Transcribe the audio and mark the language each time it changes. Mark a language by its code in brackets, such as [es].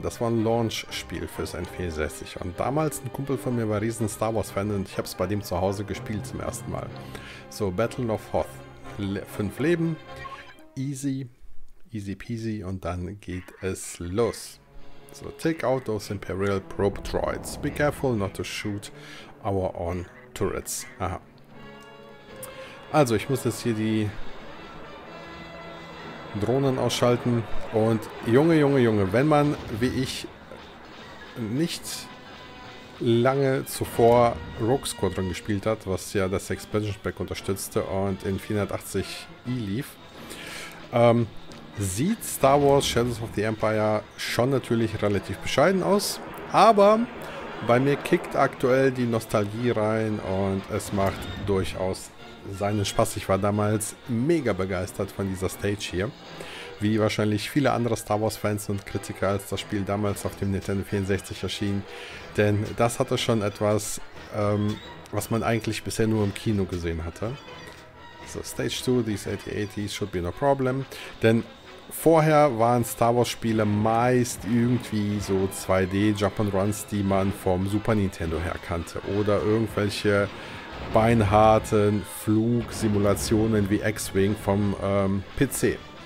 [de] Das war ein Launch-Spiel fürs N64. Und damals, ein Kumpel von mir war riesen Star Wars-Fan und ich habe es bei dem zu Hause gespielt zum ersten Mal. So, Battle of Hoth. 5 Leben, [en] easy peasy [de] und dann geht es los. [en] So, take out those Imperial probe droids. Be careful not to shoot our own turrets. Aha. [de] Also, ich muss jetzt hier die Drohnen ausschalten. Und Junge, wenn man, wie ich, nicht lange zuvor Rogue Squadron gespielt hat, was ja das Expansion Pack unterstützte und in 480i lief, sieht Star Wars Shadows of the Empire schon natürlich relativ bescheiden aus, aber bei mir kickt aktuell die Nostalgie rein und es macht durchaus seinen Spaß. Ich war damals mega begeistert von dieser Stage hier, wie wahrscheinlich viele andere Star Wars Fans und Kritiker, als das Spiel damals auf dem Nintendo 64 erschien. Denn das hatte schon etwas, was man eigentlich bisher nur im Kino gesehen hatte. [en] So, Stage 2, these 8080s should be no problem. [de] Denn vorher waren Star Wars Spiele meist irgendwie so 2D Jump'n'Runs, die man vom Super Nintendo her kannte. Oder irgendwelche beinharten Flugsimulationen wie X-Wing vom PC.